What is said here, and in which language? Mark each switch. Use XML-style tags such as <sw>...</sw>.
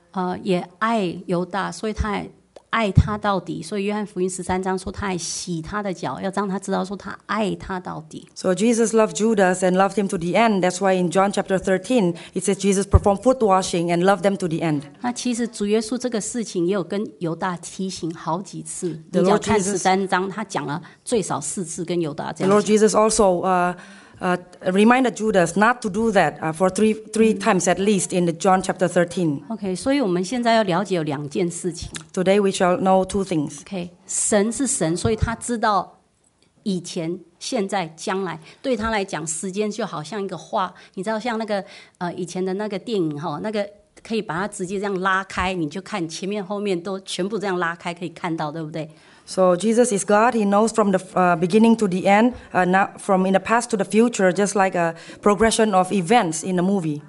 <zh>那而且他那时候也爱犹大，所以他也 爱他到底，所以约翰福音13章说他还洗他的脚，要让他知道说他爱他到底。</zh> <en>So Jesus loved Judas and loved him to the end. That's why in John chapter 13, it says Jesus performed foot washing and loved them to the end.</en> <zh>那其实主耶稣这个事情也有跟犹大提醒好几次。</zh> <en>The Lord Jesus,</en> <zh>你要看13章，他讲了最少4次跟犹大这样。</zh> <en>The Lord Jesus also reminded Judas not to do that for three times at least in the John chapter 13.</en> <zh>Okay, 所以我们现在要了解有两件事情。</zh> <en>Today we shall know two things.</en> <zh>Okay, 神是神, 所以他知道以前, 现在, 将来, 对他来讲, 时间就好像一个画, 你知道像那个, 以前的那个电影, 那个, 可以把它直接这样拉开, 你就看, 前面后面, 都全部这样拉开, 可以看到, 对不对?</zh> <en>So Jesus is God. He knows from the beginning to the end, not from in the past to the future, just like a progression of events in a movie.</en>